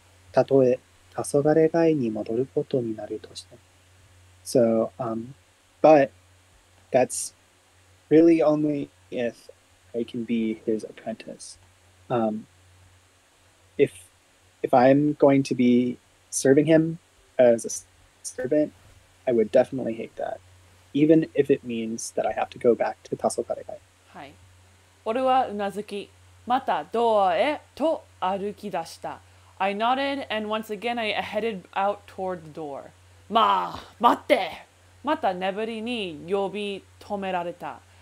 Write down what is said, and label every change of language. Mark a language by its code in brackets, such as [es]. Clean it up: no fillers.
[ja] たとえ、黄昏街に戻ることになるとしても。 [en] So, but... That's really only if I can be his apprentice. If I'm going to be serving him as a servant, I would definitely hate that. Even if it means that I have to go back to Tasokarekai. [ja] Hi. Oruwa unazuki. Mata doa e to aruki dashita. [en] I nodded and once again I headed out toward the door. [ja] Ma, matte! また眠りに呼び止められた。